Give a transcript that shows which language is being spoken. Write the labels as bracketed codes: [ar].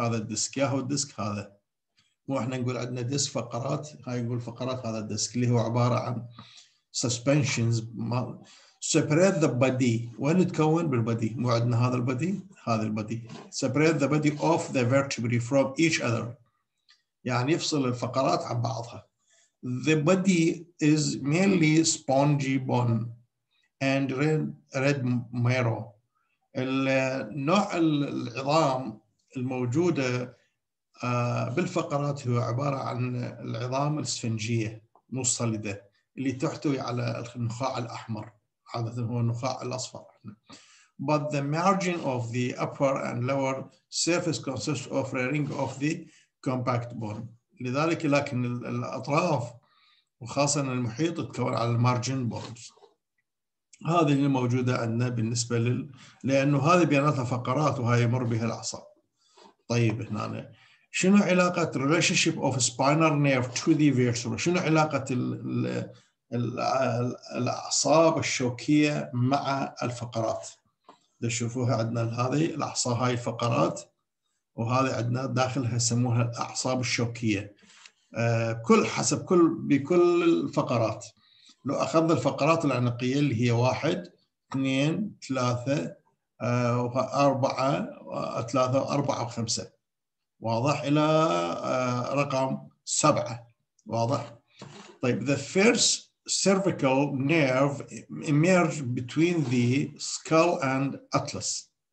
[ar] هذا الديسك، يا هو الديسك هذا، مو احنا نقول عندنا ديسك فقرات، هاي نقول فقرات، هذا الديسك اللي هو عباره عن [en] Suspensions separate the body. [ar] وين يتكون؟ بالبودي، مو عندنا هذا البودي، هذا البودي [en] separate the body of the vertebrae from each other, [ar] يعني يفصل الفقرات عن بعضها. [en] The body is mainly spongy bone and red marrow. [ar] النوع العظام الموجودة بالفقرات هو عبارة عن العظام السفنجية مو الصلدة اللي تحتوي على النخاع الأحمر، عادة هو النخاع الأصفر. [en] But the margin of the upper and lower surface consists of a ring of the compact bone. [ar] لذلك لكن الأطراف وخاصة المحيط تكون على المارجن بونز. هذه اللي موجودة عندنا بالنسبة لل، لأنه هذه بياناتها فقرات وهي يمر بها الأعصاب. طيب هنا شنو علاقة [en] relationship of spinal nerve to the vertebra؟ [ar] شنو علاقة الأعصاب الشوكية مع الفقرات؟ تشوفوها عندنا هذه الأعصاب، هاي الفقرات، وهذه عندنا داخلها يسموها الأعصاب الشوكية. كل حسب كل بكل الفقرات، لو أخذ الفقرات العنقية اللي هي 1 2 3 4 3 4 5 واضح إلى رقم 7 واضح. [en] طيب the first cervical nerve emerged between the skull and atlas.